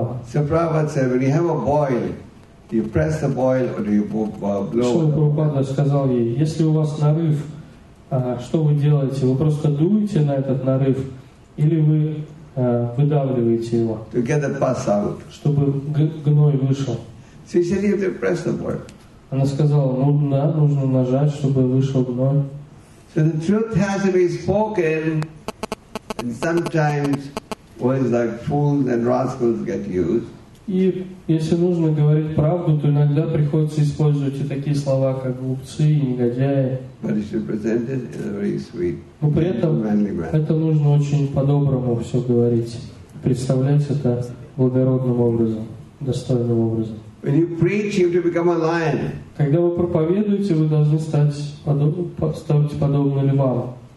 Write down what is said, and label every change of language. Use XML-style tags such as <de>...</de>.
<en>So Prabhupada said, when you have a boil, do you press the boil or do you blow?</en> <ru>Шрила Прабхупада сказал ей: если у вас нарыв, что вы делаете? Вы просто дуете на этот нарыв или вы выдавливаете его?</ru> <en>To get the pus out.</en> <ru>Чтобы гной вышел.</ru> <en>So she said, you have to press the boil.</en> <ru>Она сказала: ну да, нужно нажать, чтобы вышел гной.</ru> <en>So the truth has to be spoken, and sometimes words like fools and rascals get used.</en> <ru>И если нужно говорить правду, то иногда приходится использовать и такие слова, как глупцы и негодяи.</ru> <en>But it should present it in a very sweet,</en> <ru>но при этом это нужно очень по-доброму все говорить, представлять это благородным образом, достойным образом.</ru> <en>When you preach, you have to become a lion.</en> <ru>Когда вы проповедуете, вы должны стать подобно львам.</ru>